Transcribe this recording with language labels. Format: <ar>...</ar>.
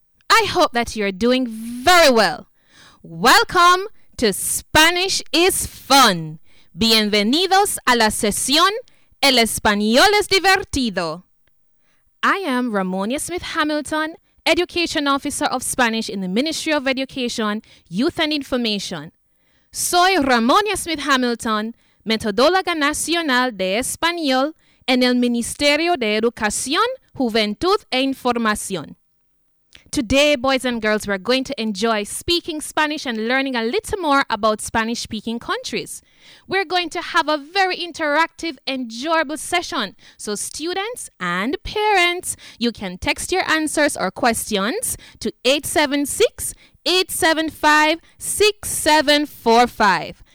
<en>I hope that you're doing very well. Welcome to Spanish is Fun.</en> <es>Bienvenidos a la sesión El Español es Divertido.</es> <en>I am Ramonia Smith-Hamilton, Education Officer of Spanish in the Ministry of Education, Youth and Information.</en> <es>Soy Ramonia Smith-Hamilton, Metodóloga Nacional de Español en el Ministerio de Educación, Juventud e Información.</es> <en>Today, boys and girls, we're going to enjoy speaking Spanish and learning a little more about Spanish-speaking countries. We're going to have a very interactive, enjoyable session. So students and parents, you can text your answers or questions to 876-875-6745.</en>